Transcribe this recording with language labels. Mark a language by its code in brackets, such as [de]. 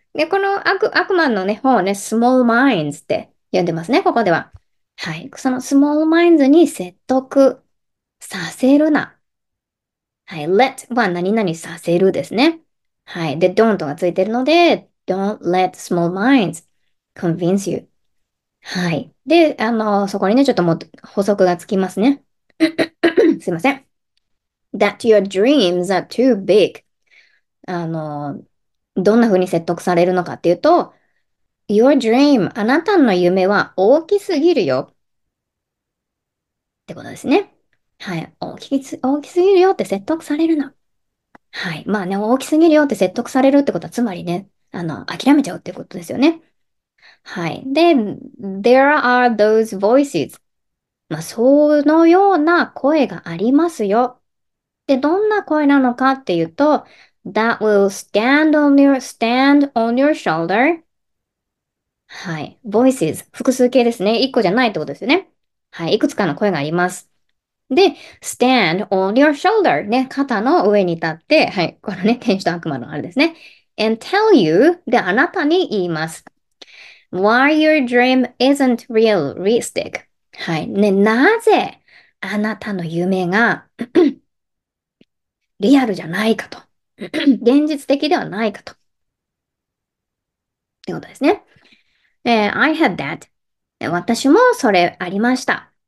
[ja] で、この悪魔のね、方をね、 [en] small minds [ja] って呼んでますね、ここでは。はい。その [en] small minds [ja] に説得させるな。はい。 let は何々させるですね。はい。で、don't がついてるので、 [en] don't let small minds convince you. [ja] はい。で、そこにね、ちょっとも補足がつきますね。すいません。 [en] That your dreams are too big. [ja] どんなふうに説得されるのかっていうと、 [en] Your dream、 [ja] あなたの夢は大きすぎるよってことですね。はい、大きすぎるよって説得されるの。はい、まあね、大きすぎるよって説得されるってことは、つまりね、諦めちゃうってことですよね。はい、で、 [en] There are those voices、 [ja] まあそのような声がありますよ。で、どんな声なのかっていうと、 [en] That will stand on your shoulder。 [ja] はい、 [en] voices、 [ja] 複数形ですね。一個じゃないってことですよね。はい、いくつかの声があります。で、 [en] stand on your shoulder [ja] ね、肩の上に立って、はい、このね、天使と悪魔のあれですね。 [en] And tell you、 [ja] で、あなたに言います。 [en] Why your dream isn't realistic。 [ja] はい、ね、なぜあなたの夢がリアルじゃないかと現実的ではないかとってことですね。 [en] I had that。 [ja] 私もそれありました。